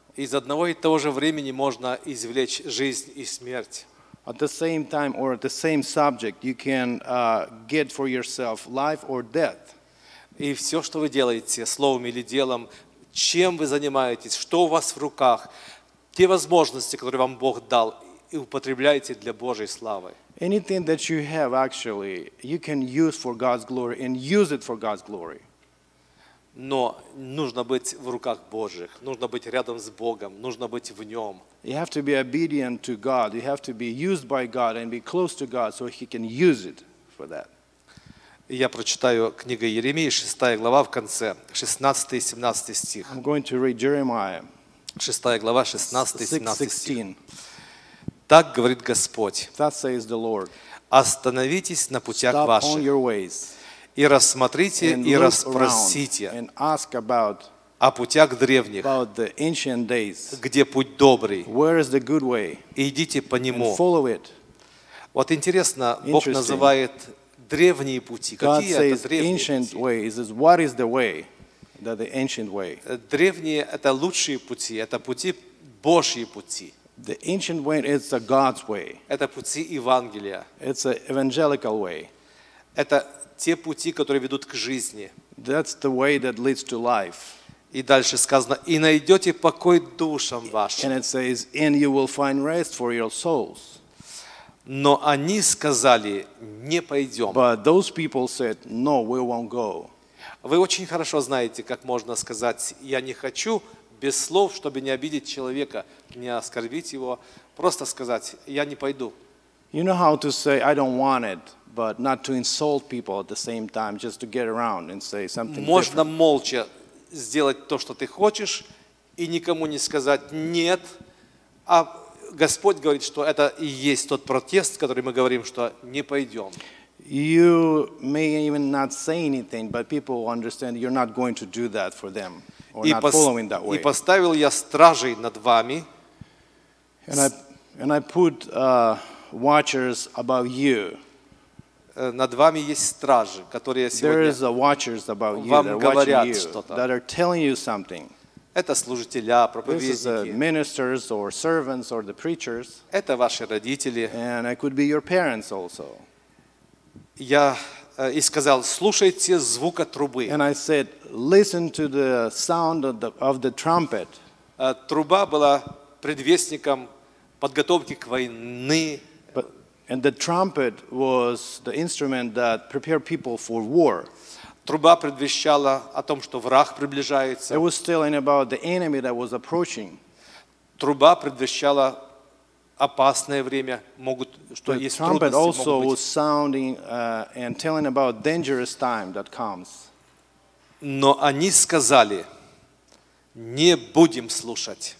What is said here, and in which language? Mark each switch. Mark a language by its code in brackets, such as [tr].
[ru] Из одного и того же времени можно извлечь жизнь и смерть. [en] At the same time or at the same subject, you can get for yourself life or death. [ru] И все, что вы делаете, словом или делом, чем вы занимаетесь, что у вас в руках, те возможности, которые вам Бог дал, и употребляете для Божьей славы. [en] Anything that you have, actually, you can use for God's glory and use it for God's glory. [ru] Но нужно быть в руках Божьих, нужно быть рядом с Богом, нужно быть в Нем. [en] You have to be obedient to God. You have to be used by God and be close to God so He can use it for that. [ru] Я прочитаю книгу Иеремии, 6 глава, в конце, 16 и 17 стих. [en] I'm going to read Jeremiah. [ru] 6 глава, 16 и 17 стих. Так говорит Господь. [en] Thus says the Lord. [ru] Остановитесь на путях ваших. [en] Stop on your ways. [ru] И рассмотрите, и расспросите о путях древних, где путь добрый, и идите по нему. Вот интересно, Бог называет древние пути. Какие это древние пути? Древние – это лучшие пути, это пути Божьи пути. [en] The ancient way is the God's way. [ru] Это пути Евангелия. [en] It's an evangelical way. [ru] Это те пути, которые ведут к жизни. [en] That's the way that leads to life. [ru] И дальше сказано, и найдете покой душам вашим. [en] And it says, and you will find rest for your souls. [ru] Но они сказали, не пойдем. [en] But those people said, no, we won't go. [ru] Вы очень хорошо знаете, как можно сказать, я не хочу, без слов, чтобы не обидеть человека, не оскорбить его, просто сказать, я не пойду. [en] You know how to say, I don't want it. But not to insult people at the same time, just to get around and say something [ru] можно [en] different. [ru] Можно молча сделать то, что ты хочешь, и никому не сказать нет, а Господь говорит, что это и есть тот протест, который мы говорим, что не пойдем. [en] You may even not say anything, but people will understand you're not going to do that for them or not following that way. [ru] И поставил я стражей над вами. [en] And I put watchers above you. [ru] Над вами есть стражи, которые сегодня вам говорят что-то. Это служители, проповедники. Это ваши родители. [en] And I could be your parents also. [ru] Я и сказал: слушайте звука трубы. [en] And I said, listen to the sound of the trumpet. [ru] Труба была предвестником подготовки к войне. [en] And the trumpet was the instrument that prepared people for war. [ru] Труба предвещала о том, что враг приближается. [en] It was telling about the enemy that was approaching. [ru] Труба предвещала опасное время, могут, что есть трудности. [en] The trumpet also was sounding and telling about dangerous time that comes. [ru] Но они сказали: не будем слушать.